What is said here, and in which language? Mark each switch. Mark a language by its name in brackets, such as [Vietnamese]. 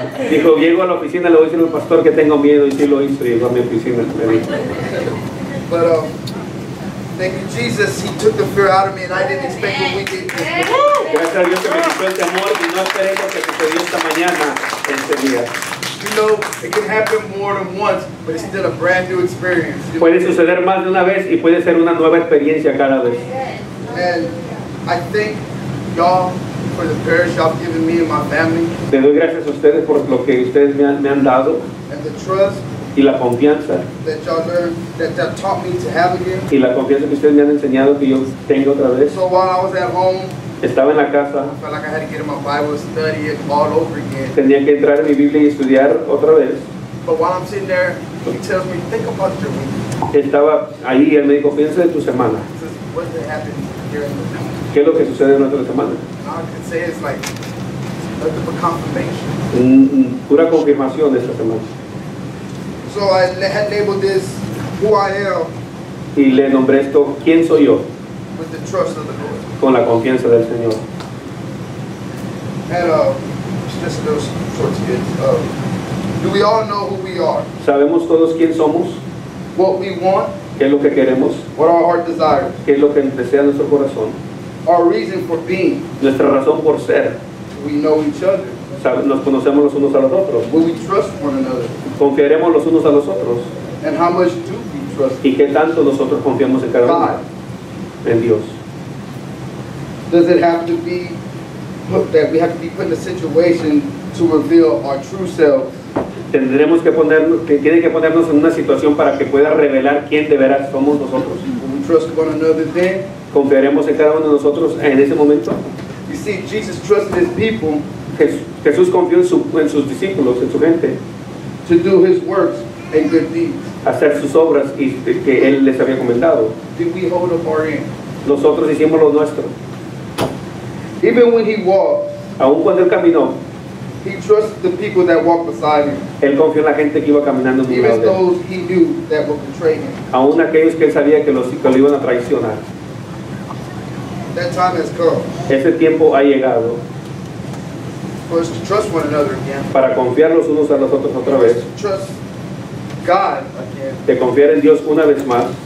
[Spanish] Dijo, llego a la oficina, le voy a decir al pastor que tengo miedo, y sí lo hizo, llegó a mi oficina. [English] But thank you, Jesus, he took the fear out of me, and I didn't expect that we did this. [Spanish] Gracias a Dios que me quitó el temor, y no esperé lo que sucedió esta mañana, este día. [English] You know, it can happen more than once, but it's still a brand new experience. [Spanish] Puede suceder más de una vez, y puede ser una nueva experiencia cada vez. [English] And I think y'all, for the parish y'all given me and my family. [Spanish] Te doy gracias a ustedes por lo que ustedes me han dado. [English] And the trust. [Spanish] Y la confianza. [English] That y'all learned, that taught me to have again. [Spanish] Y la confianza que ustedes me han enseñado que yo tengo otra vez. [English] So while I was at home. [Spanish] Estaba en la casa. [English] I felt like I had to get in my Bible and study it all over again. [Spanish] Tenía que entrar en mi Biblia y estudiar otra vez. [English] But while I'm sitting there, he tells me, "Think about your week." [Spanish] Estaba ahí y él me dijo, "Piensa en tu semana." [English] What did happen here in the week? [Spanish] ¿Qué es lo que sucede en nuestra semana? [English] I could say it's like nothing but confirmation. [Spanish] Pura confirmación esta semana. [English] So I had labeled this "Who I am." [Spanish] Y le nombré esto "¿Quién soy yo?" [English] With the trust of the Lord. [Spanish] Con la confianza del Señor. [English] And just those sorts of things. Do we all know who we are? [Spanish] Sabemos todos quién somos. [English] What we want. [Spanish] ¿Qué es lo que queremos? [English] What our heart desires. [Spanish] ¿Qué es lo que desea nuestro corazón? [English] Our reason for being. [Spanish] Nuestra razón por ser. [English] We know each other. [Spanish] Nos conocemos los unos a los otros. [English] Will we trust one another? [Spanish] Confiaremos los unos a los otros. [English] And how much do we trust? [Spanish] ¿Y qué tanto nosotros confiamos en cada uno? En Dios. [English] Does it have to be that we have to be put in a situation to reveal our true selves? [Spanish] Tendremos que poner, tiene que ponernos en una situación para que pueda revelar quién de veras somos nosotros. [English] Will we trust one another then? [Spanish] ¿Confiaremos en cada uno de nosotros en ese momento? [English] You see, Jesus trusted his people. [Spanish] Jesús confió en sus discípulos, en su gente. [English] To do his works and good deeds. [Spanish] Hacer sus obras y que él les había comentado. [English] Did we hold up our end? [Spanish] Nosotros hicimos lo nuestro. [English] Even when he walked. [Spanish] Aun cuando él caminó. [English] He trusted the people that walked beside him. [Spanish] Él confió en la gente que iba caminando en su lado. [English] Even those he knew that would betray him. [Spanish] Aun aquellos que él sabía que lo iban a traicionar. [English] That time has come. [Spanish] Ese tiempo ha llegado. [English] For us to trust one another again. [Spanish] Para confiar los unos a los otros otra vez. [English] Trust God again. [Spanish] De confiar en Dios una vez más.